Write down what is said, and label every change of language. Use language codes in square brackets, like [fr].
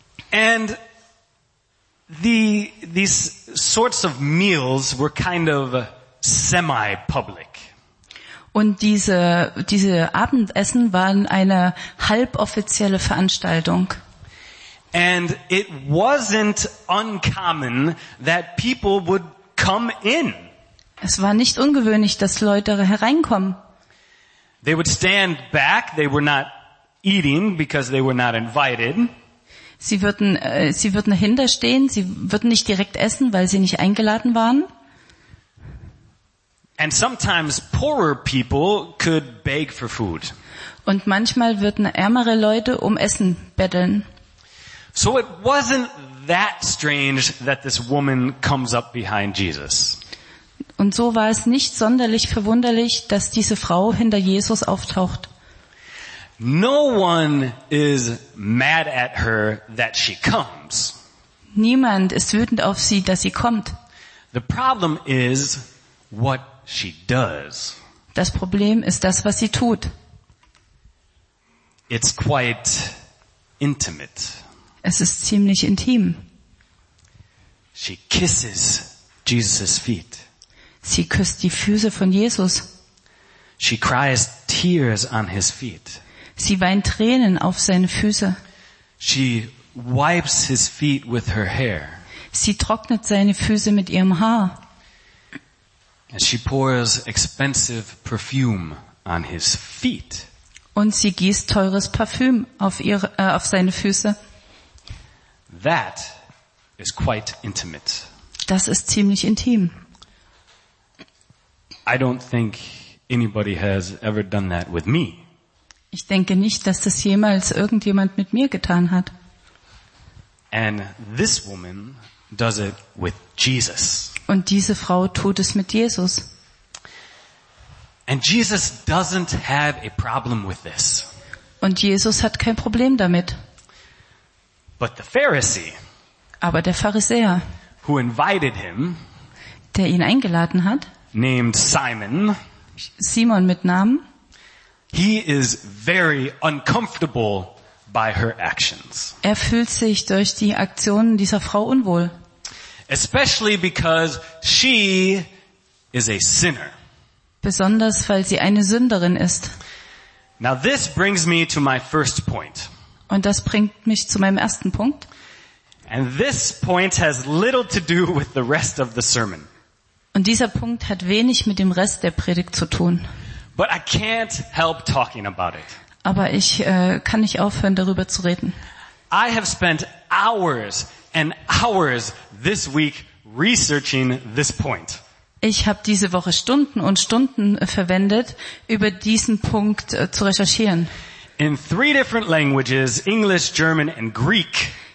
[en] And these sorts of meals were kind of semi-public. [de] Und diese Abendessen waren eine halboffizielle Veranstaltung. [en] And it wasn't uncommon that people would come in. [de] Es war nicht ungewöhnlich, dass Leute hereinkommen. [en] They would stand back, they were not eating because they were not invited. [de] Sie würden dahinter stehen, sie würden nicht direkt essen, weil sie nicht eingeladen waren. [en] And sometimes poorer people could beg for food. [de] Und manchmal würden ärmere Leute um Essen betteln. [en] So it wasn't that strange that this woman comes up behind Jesus. [de] Und so war es nicht sonderlich verwunderlich, dass diese Frau hinter Jesus auftaucht. [en] No one is mad at her that she comes. [de] Niemand ist wütend auf sie, dass sie kommt. [en] The problem is what she does. [de] Das Problem ist das, was sie tut. [en] It's quite intimate. [de] Es ist ziemlich intim. [en] She kisses Jesus' feet. [de] Sie küsst die Füße von Jesus. [en] She cries tears on his feet. [de] Sie weint Tränen auf seine Füße. [en] She wipes his feet with her hair. [de] Sie trocknet seine Füße mit ihrem Haar. [en] And she pours expensive perfume on his feet. [de] Und sie gießt teures Parfüm auf seine Füße. [en] That is quite intimate. [de] Das ist ziemlich intim. [en] I don't think anybody has ever done that with me. [de] Ich denke nicht, dass das jemals irgendjemand mit mir getan hat. [en] And this woman does it with Jesus. [de] Und diese Frau tut es mit Jesus. [en] And Jesus doesn't have a problem with this. [de] Und Jesus hat kein Problem damit. [en] But the Pharisee, [de] aber der Pharisäer, [en] who invited him, [de] der ihn eingeladen hat, [en] named Simon, [de] Simon mit Namen, [en] he is very uncomfortable by her actions. [de] Er fühlt sich durch die Aktionen dieser Frau unwohl. [en] Especially because she is a sinner. [de] Besonders weil sie eine Sünderin ist. [en] Now this brings me to my first point. [de] Und das bringt mich zu meinem ersten Punkt. [en] And this point has little to do with the rest of the sermon. [de] Und dieser Punkt hat wenig mit dem Rest der Predigt zu tun. [en] But I can't help talking about it. [de] Aber ich kann nicht aufhören, darüber zu reden. [en] I have spent hours and hours this week researching this point. [de] Ich habe diese Woche Stunden und Stunden verwendet, über diesen Punkt zu recherchieren. [en] In 3 different languages, English, German and Greek.